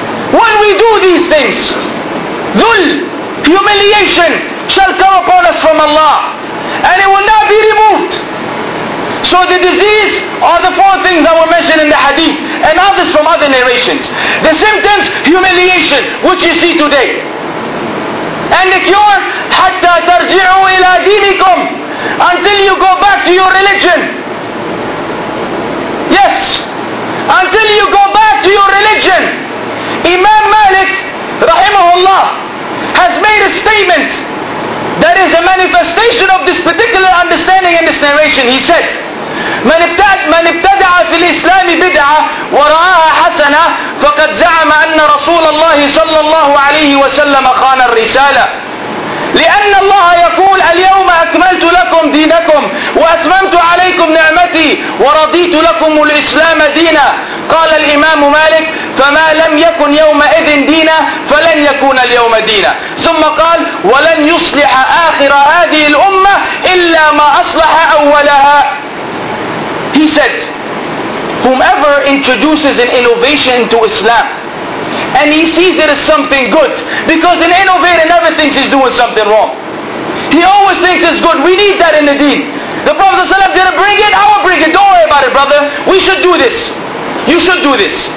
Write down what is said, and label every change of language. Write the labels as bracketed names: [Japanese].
[English] When we do these things, dhul, humiliation, shall come upon us from Allah. And it will not be removed. So the disease are the four things that were mentioned in the hadith and others from other narrations. The symptoms, humiliation, which you see today. And the cure, [Arabic] حَتَّى تَرْجِعُوا إِلَىٰ دِينِكُمْ. [English] Until you go back to your religion. Yes, until you go back to your religion. Imam Malik, rahimahullah, has made a statement that is a manifestation of this particular understanding in this narration. He said, [Arabic] من ابتدع في الإسلام بدعة ورآها حسنة فقد زعم أن رسول الله صلى الله عليه وسلم خان الرسالة. لأن الله يقول اليوم أكملت لكم دينكم وأتممت عليكم نعمتي ورضيت لكم الإسلام دينا. قال الإمام مالك فما لم يكن يومئذ دينا فلن يكون اليوم دينا. ثم قال ولن يصلح آخر هذه الأمة إلا ما أصلح أولها. [English] He said, whomever introduces an innovation to Islam and he sees it as something good, because an innovator never thinks he's doing something wrong. He always thinks it's good. We need that in the deen. The Prophet ﷺ didn't bring it, I will bring it. Don't worry about it, brother. We should do this. You should do this.